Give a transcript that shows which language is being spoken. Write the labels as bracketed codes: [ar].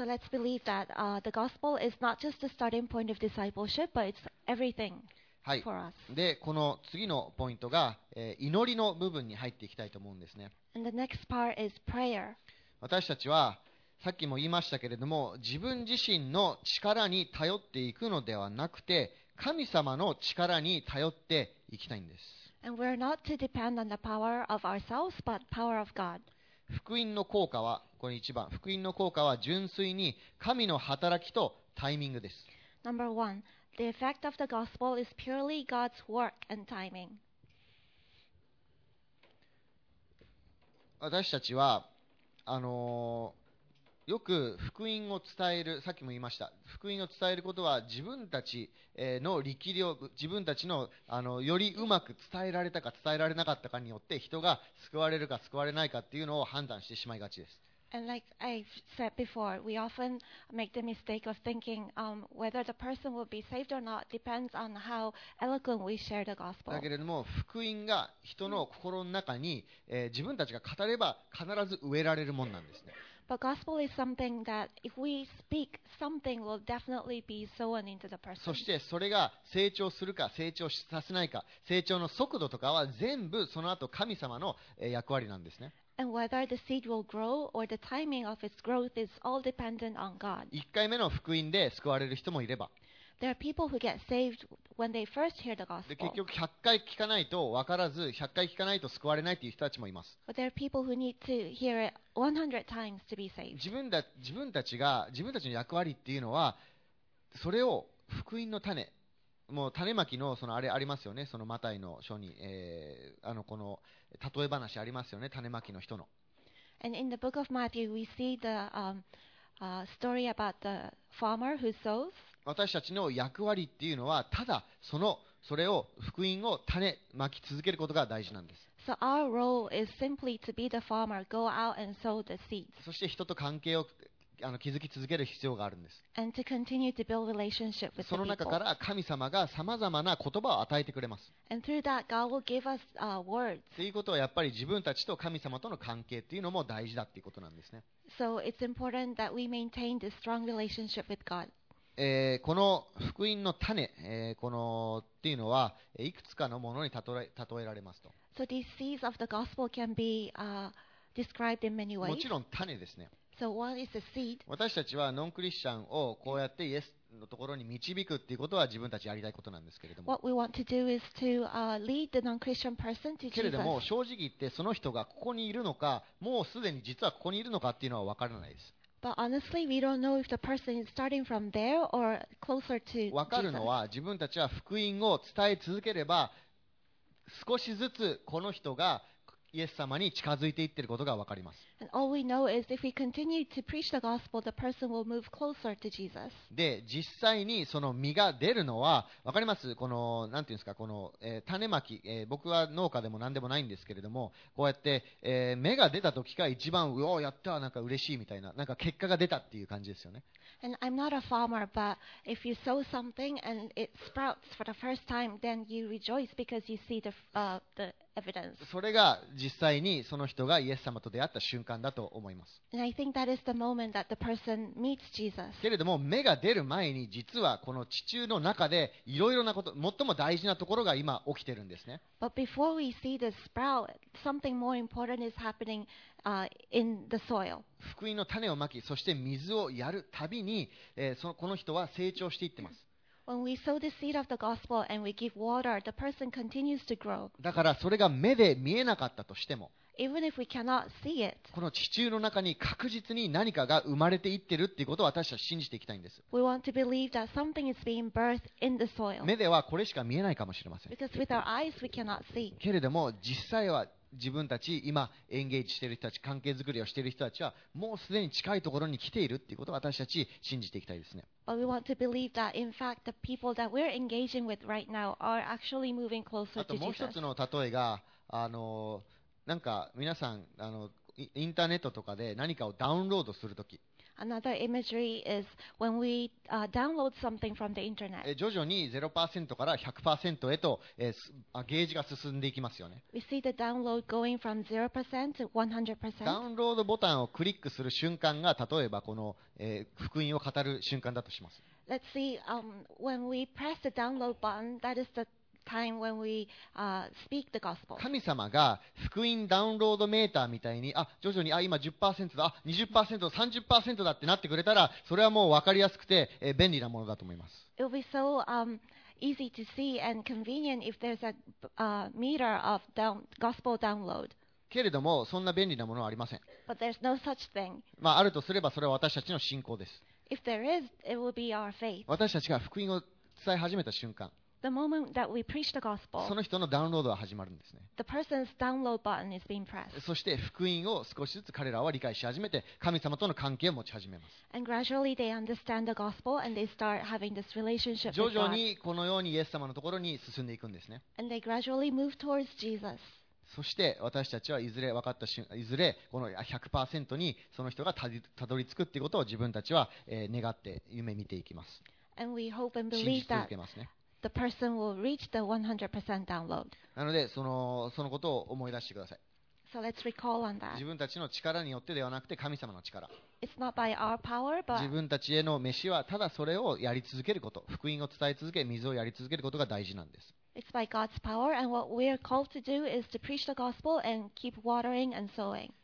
[en] So let's believe that the gospel is not just the starting point of discipleship, but it's everything for us. [ja] でこの次のポイントが、祈りの部分に入っていきたいと思うんですね。 [en] And the next part is prayer. [ja] 私たちはさっきも言いましたけれども自分自身の力に頼っていくのではなくて神様の力に頼っていきたいんです。 [en] And we're not to depend on the power of ourselves, but power of God. [ja] 福音の効果は、これ一番、福音の効果は純粋に神の働きとタイミングです。 [en] Number one, the effect of the gospel is purely God's work and timing. [ja] 私たちは、よく福音を伝えるさっきも言いました福音を伝えることは自分たちの力量自分たち の, よりうまく伝えられたか伝えられなかったかによって人が救われるか救われないかっていうのを判断してしまいがちです。 [en] And like I've said before, we often make the mistake of thinking whether the person will be saved or not depends on how eloquent we share the gospel. [ja] だけれども福音が人の心の中に、自分たちが語れば必ず植えられるもんなんですね。 [en] But gospel is something that if we speak, something will definitely be sown into the person. [ja] そしてそれが成長するか成長させないか、成長の速度とかは全部その後神様の役割なんですね。 [en] And whether the seed will grow or the timing of its growth is all dependent on God. [ja] 1回目の福音で救われる人もいれば、 [en] There are people who get saved when they first hear the gospel. [ja] 結局100回聞かないと分からず、100回聞かないと救われないという人たちもいます。 [en] But there are people who need to hear it 100 times to be saved. [ja] 自分たちの役割っていうのは、それを福音の種、もう種まきのそのあれありますよね、そのマタイの書に、この例え話ありますよね、種まきの人の。 [en] And in the book of Matthew, we see the story about the farmer who sows. [ja] 私たちの役割っていうのはただそれを福音を種まき続けることが大事なんです。 [en] So our role is simply to be the farmer, go out and sow the seeds. [ja] そして人と関係を築き続ける必要があるんです。 [en] And to continue to build relationship with people. [ja] その中から神様がさまざまな言葉を与えてくれます。 [en] And through that, God will give us words. [ja] ということはやっぱり自分たちと神様との関係っていうのも大事だっていうことなんですね。 [en] So it's important that we maintain this strong relationship with God. [ja] この福音の種、っていうのはいくつかのものに例えられますと。 [en] So these seeds of the gospel can be described in many ways. [ja] もちろん種ですね。 [en] So what is the seed? [ja] 私たちはノンクリスチャンをこうやってイエスのところに導くっていうことは自分たちやりたいことなんですけれども。 [en] What we want to do is to lead the non-Christian person to Jesus. [ja] けれども正直言ってその人がここにいるのか、もうすでに実はここにいるのかっていうのは分からないです。 [en] But honestly, we don't know if the person is starting from there or closer to Jesus. [ja] 分かるのは自分たちは福音を伝え続ければ少しずつこの人がイエス様に近づいていっていることが分かります。 [en] And all we know is if we continue to preach the gospel, the person will move closer to Jesus. [ja] で、実際にその実が出るのは分かります? この、なんていうんですか、この、種まき、僕は農家でも何でもないんですけれども、こうやって、芽が出た時が一番、うお、やった、なんか嬉しいみたいな、なんか結果が出たっていう感じですよね。 [en] And I'm not a farmer, but if you sow something and it sprouts for the first time, then you rejoice because you see the evidence. [ja] それが実際にその人がイエス様と出会った瞬間だと思います。 [en] And I think that is the moment that the person meets Jesus. [ja] けれども、芽が出る前に実はこの地中の中でいろいろなこと、最も大事なところが今起きてるんですね。 [en] But before we see the sprout, something more important is happening. In the soil. [ja] 福音の種をまき、そして水をやるたびに、この人は成長していってます。 [en] When we sow the seed of the gospel and we give water, the person continues to grow. [ja] だからそれが目で見えなかったとしても、 [en] Even if we cannot see it, [ja] この地中の中に確実に何かが生まれていってるっていうことを私たちは信じていきたいんです。 [en] We want to believe that something is being birthed in the soil. [ja] 目ではこれしか見えないかもしれません。 [en] Because with our eyes we cannot see. [ja] けれども実際は自分たち今エンゲージしている人たち関係づくりをしている人たちはもうすでに近いところに来ているっていうことを私たち信じていきたいですね。 [en] But we want to believe that in fact the people that we're engaging with right now are actually moving closer to Jesus. [ja] あともう一つの例えがなんか皆さんインターネットとかで何かをダウンロードするとき。 [en] Another imagery is when we download something from the internet. [ja] 徐々に 0% から 100% へと、ゲージが進んでいきますよね。 [en] We see the download going from 0% to 100%. [ja] ダウンロードボタンをクリックする瞬間が例えばこの、福音を語る瞬間だとします。 [en] Let's see, when we press the download button, that is the time when we speak the gospel. [ja] 神様が福音ダウンロードメーターみたいに、徐々に今 10% だ、20%、30% だってなってくれたら、それはもう分かりやすくて、便利なものだと思います。 [en] It will be so easy to see and convenient if there's a meter of gospel download. [ja] けれどもそんな便利なものはありません。 [en] But there's no such thing. [ja] まああるとすればそれは私たちの信仰です。 [en] If there is, it will be our faith. [ja] 私たちが福音を伝え始めた瞬間、 [en] the moment that we preach the gospel, [ja] その人のダウンロードは始まるんですね。 [en] The person's download button is being pressed. [ja] そして福音を少しずつ彼らは理解し始めて神様との関係を持ち始めます。 [en] And gradually they understand the gospel and they start having this relationship. [ja] 徐々にこのようにイエス様のところに進んでいくんですね。 [en] And they gradually move towards Jesus. [ja] そして私たちはいずれ分かった瞬いずれこの 100% にその人がたどり着くっていうことを自分たちは願って夢見ていきます。 [en] And we hope and believe that the person will reach the 100% download. [ja] なのでそのことを思い出してください。 [en] So let's recall on that. [ja] 自分たちの力によってではなくて神様の力。 [en] It's not by our power, but [ja] 自分たちへの召しはただそれをやり続けること、福音を伝え続け、水をやり続けることが大事なんです。 [en] It's by God's power, and what we are called to do is to preach the gospel and keep watering and sowing.